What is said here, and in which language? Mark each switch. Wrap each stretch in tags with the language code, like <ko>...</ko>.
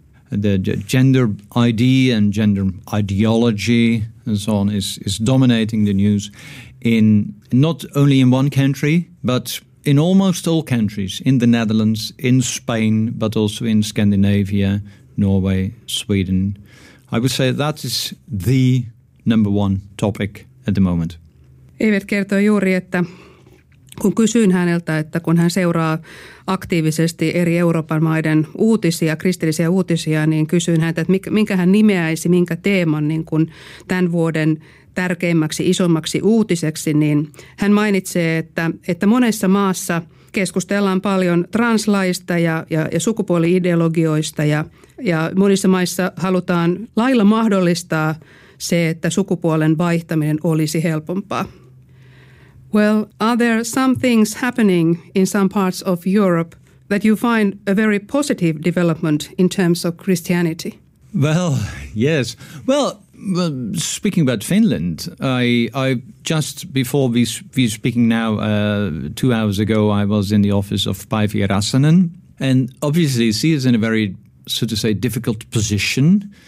<en>the gender ID and gender ideology and so on is dominating the news in not only in one country, but in almost all countries, in the Netherlands, in Spain, but also in Scandinavia, Norway, Sweden. I would say that is the number one topic at the moment.</en> <fi>Evert kertoi juuri, että kun kysyin häneltä, että kun hän seuraa aktiivisesti eri Euroopan maiden uutisia, kristillisiä uutisia, niin kysyin häneltä, että minkä hän nimeäisi, minkä teeman niin kuin tämän vuoden tärkeimmäksi, isommaksi uutiseksi, niin hän mainitsee, että monessa maassa keskustellaan paljon translaista ja sukupuoli-ideologioista ja monissa maissa halutaan lailla mahdollistaa se, että sukupuolen vaihtaminen olisi helpompaa.</fi> <en>Well, are there some things happening in some parts of Europe that you find a very positive development in terms of Christianity? Well, yes. Well, speaking about Finland, I just before we speaking now, 2 hours ago, I was in the office of Päivi Räsänen, and obviously she is in a very, so to say, difficult position.</en>